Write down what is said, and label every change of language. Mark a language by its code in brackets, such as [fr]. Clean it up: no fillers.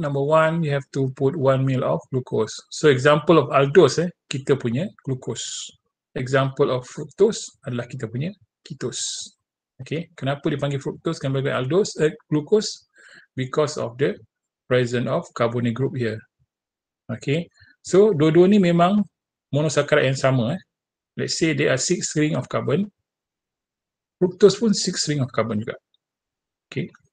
[en] Number one, you have to put 1 ml of glucose. So example of aldose, [ms] kita punya [en] glucose. Example of fructose [ms] adalah kita punya ketose. Okay. Kenapa dipanggil fructose, kenapa dipanggil aldose, glucose? [en] Because of the presence of carbonyl group here. [ms] Okay. So dua-dua ni memang monosaccharide yang sama. [en] Let's say there are 6 ring of carbon. Fructose pun 6 ring of carbon juga. Okay.